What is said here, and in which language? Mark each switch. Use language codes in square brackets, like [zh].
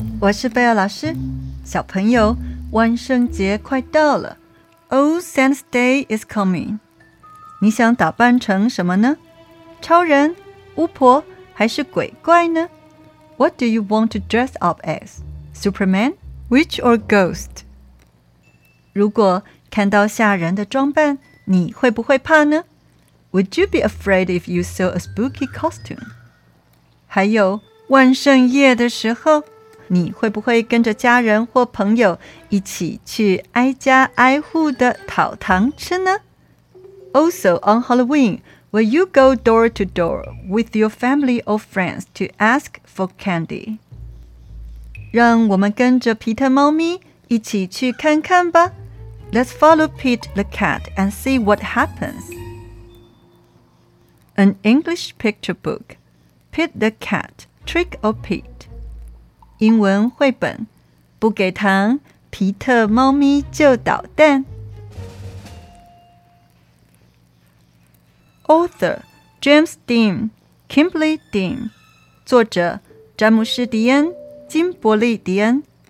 [zh] 我是贝尔老师。小朋友，万圣节快到了。 [en] Old Saint's Day is coming. [zh] 你想打扮成什么呢？超人、巫婆还是鬼怪呢？ [en] What do you want to dress up as? Superman, witch or ghost? [zh] 如果看到吓人的装扮，你会不会怕呢？ [en] Would you be afraid if you saw a spooky costume? [zh] 还有万圣夜的时候，你会不会跟着家人或朋友一起去挨家挨户的讨糖吃呢？ [en] Also on Halloween, will you go door to door with your family or friends to ask for candy? [zh] 让我们跟着皮特猫咪一起去看看吧。 [en] Let's follow Pete the cat and see what happens. An English picture book. Pete the Cat, Trick or Pete. [zh] 英文绘本，不给糖，皮特猫咪就捣蛋。 [en] Author, James Dean, Kimberly Dean. [zh] 作者，詹姆斯·迪恩，金伯利·迪恩。